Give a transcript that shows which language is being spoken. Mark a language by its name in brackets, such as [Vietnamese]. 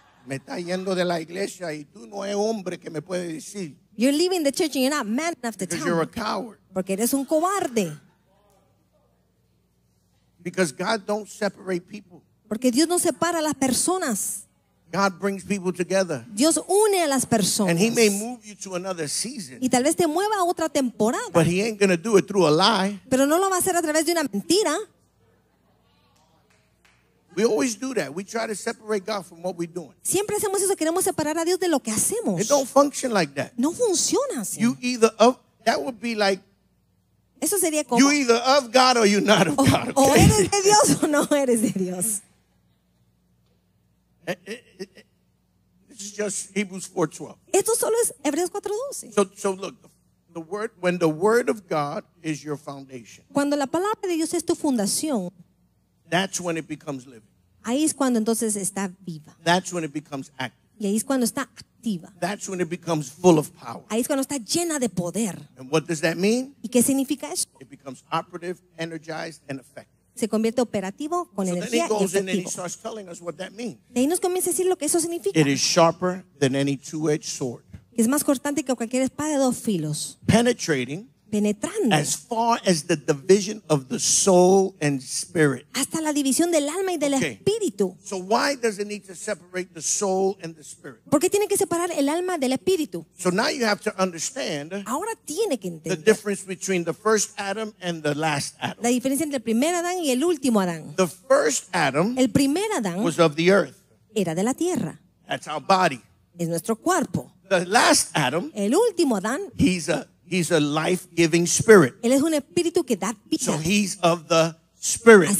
[Spanish] Me está yendo de la iglesia y tú no es hombre que me puede decir. [English] You're leaving the church and you're not man enough to tell me. Because you're a coward. [Spanish] Porque eres un cobarde. [English] Because God don't separate people. [Spanish] Porque Dios no separa las personas. [English] God brings people together. [Spanish] Dios une a las personas. [English] And he may move you to another season. [Spanish] Y tal vez te mueva a otra temporada. [English] But he ain't gonna do it through a lie. [Spanish] Pero no lo va a hacer a través de una mentira. [English] We always do that. We try to separate God from what we're doing. [Spanish] Siempre hacemos eso, queremos separar a Dios de lo que hacemos. [English] It don't function like that. [Spanish] No funciona así. [English] You either that would be like [Spanish] eso sería como [English] you either of God or you're not of God. Okay? [Spanish] O eres de Dios o no eres de Dios. [English] This is just Hebrews 4:12. [Spanish] Esto solo es Hebreos 4:12. [English] So look, when the word of God is your foundation. [Spanish] Cuando la palabra de Dios es tu fundación. [English] That's when it becomes living. [Spanish] Ahí es cuando entonces está viva. [English] That's when it becomes active. [Spanish] Y ahí es cuando está activa. [English] That's when it becomes full of power. [Spanish] Ahí es cuando está llena de poder. [English] And what does that mean? [Spanish] ¿Y qué significa eso? [English] It becomes operative, energized, and effective. [Spanish] Se convierte operativo con energía y efectivo. De ahí nos comienza a decir lo que eso significa. [English] It is sharper than any two-edged sword. [Spanish] Es más cortante que cualquier espada de dos filos. [English] Penetrating. [Spanish] penetrando. [English] As far as the division of the soul and spirit. [Spanish] Hasta la división del alma y del espíritu. [English] So why does it need to separate the soul and the spirit? [Spanish] ¿Por qué tiene que separar el alma del espíritu? [English] So now you have to understand. [Spanish] Ahora tiene que entender. [English] The difference between the first Adam and the last Adam. [Spanish] La diferencia entre el primer Adán y el último Adán. [English] The first Adam. [Spanish] El primer Adán. [English] Was of the earth. [Spanish] Era de la tierra. [English] That's our body. [Spanish] Es nuestro cuerpo. [English] The last Adam. [Spanish] El último Adán. [English] He's a life-giving spirit. [Spanish] Él es un espíritu que da vida. [English] So he's of the spirit.